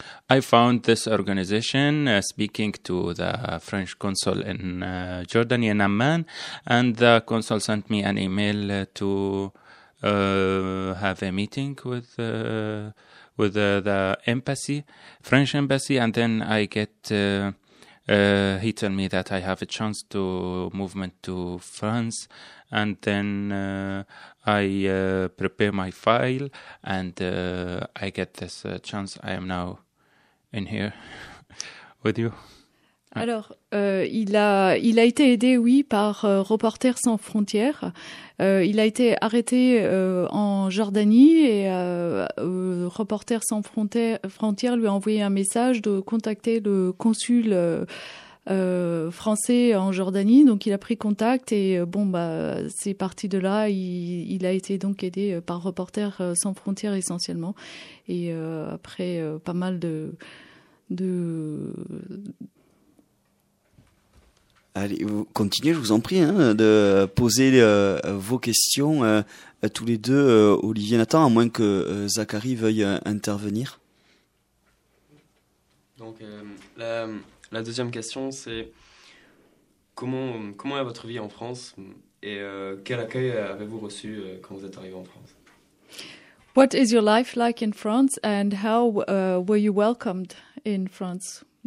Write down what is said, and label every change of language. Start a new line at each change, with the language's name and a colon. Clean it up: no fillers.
English: I found this organization speaking to the French consul in Jordan, in Amman, and the consul sent me an email to have a meeting with the embassy, French embassy, and then I get, he told me that I have a chance to movement to France, and then I prepare my file, and I get this chance. I am now in here with you.
French: Alors, il a été aidé, oui, par Reporters sans frontières. Il a été arrêté en Jordanie et Reporters sans frontières lui a envoyé un message de contacter le consul français en Jordanie. Donc, il a pris contact et bon, bah, c'est parti de là. Il a été donc aidé par Reporters sans frontières essentiellement. Et après, pas mal de... Allez, continuez, je vous en prie, hein, de poser vos questions à tous les deux, Olivier et Nathan, à moins que Zachary veuille intervenir. Donc, la deuxième question, c'est comment est votre vie en France et quel accueil avez-vous reçu quand vous êtes arrivé en France?
English: What is your life like in France and how were you welcomed in France?